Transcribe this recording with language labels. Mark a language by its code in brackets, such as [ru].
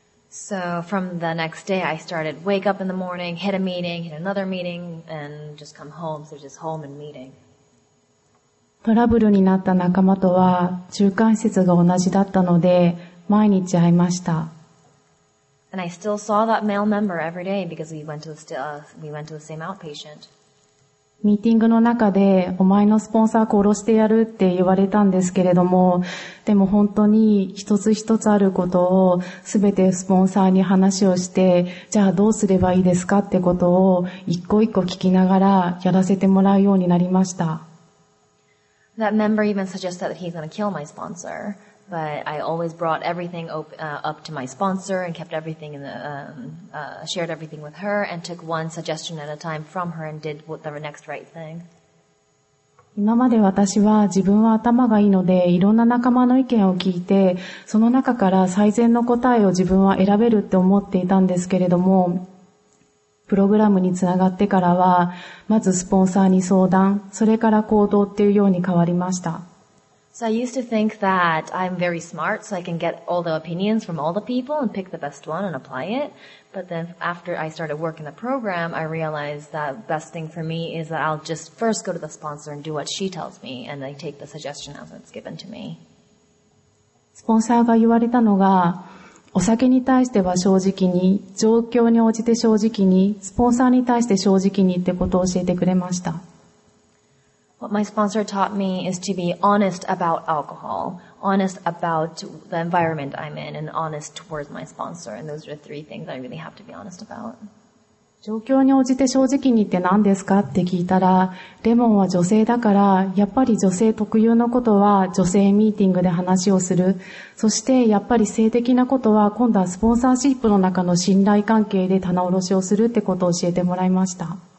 [en] So from the next day I started wake up in the morning, hit a meeting, hit another meeting, and just come home, so just home and meeting. [ja] トラブルになった仲間とは中間施設が同じだったので毎日会いました。 [en] And I still saw that male member every day because we went to the same outpatient. [ja] ミーティングの中でお前のスポンサー殺してやるって言われたんですけれども、でも本当に一つ一つあることをすべてスポンサーに話をして、じゃあどうすればいいですかってことを一個一個聞きながらやらせてもらうようになりました。 [en] That member even suggested that he's going to kill my sponsor. But I always brought everything up to my sponsor and kept everything in the, shared everything with her and took one suggestion at a time from her and did the next right thing. [ja] 今まで私は自分は頭がいいのでいろんな仲間の意見を聞いて、その中から最善の答えを自分は選べるって思っていたんですけれども、プログラムにつながってからはまずスポンサーに相談、それから行動っていうように変わりました。 [en] So I used to think that I'm very smart, so I can get all the opinions from all the people and pick the best one and apply it. But then after I started working the program, I realized that best thing for me is that I'll just first go to the sponsor and do what she tells me, and I take the suggestion as it's given to me. [ja] スポンサーが言われたのが、お酒に対しては正直に、状況に応じて正直に、スポンサーに対して正直にってことを教えてくれました。 [en] What my sponsor taught me is to be honest about alcohol, honest about the environment I'm in, and honest towards my sponsor. And those are three things I really have to be honest about. [ja] 状況に応じて正直にって何ですかって聞いたら、レモンは女性だから、やっぱり女性特有のことは女性ミーティングで話をする。そしてやっぱり性的なことは今度はスポンサーシップの中の信頼関係で棚卸しをするってことを教えてもらいました。